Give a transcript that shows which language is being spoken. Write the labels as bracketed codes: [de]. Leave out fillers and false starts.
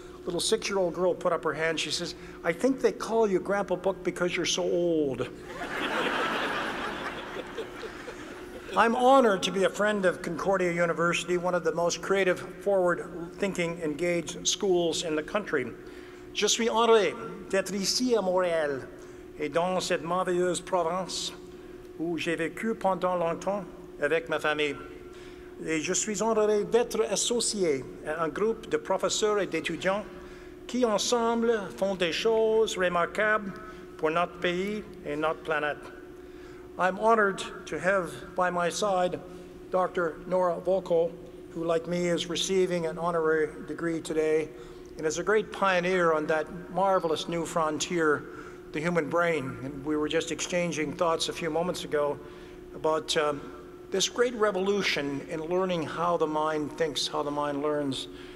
[en] Little six-year-old girl put up her hand. She says, I think they call you Grandpa Book because you're so old. I'm honored to be a friend of Concordia University, one of the most creative, forward-thinking, engaged schools in the country. [fr] Je suis honoré d'être ici à Montréal et dans cette merveilleuse province où j'ai vécu pendant longtemps avec ma famille. Et je suis honoré d'être associé à un groupe de professeurs et d'étudiants qui ensemble font des choses remarquables pour notre pays et notre planète. [en] I'm honored to have by my side Dr. Nora Volko, who like me is receiving an honorary degree today and is a great pioneer on that marvelous new frontier, the human brain. And we were just exchanging thoughts a few moments ago about this great revolution in learning how the mind thinks, how the mind learns.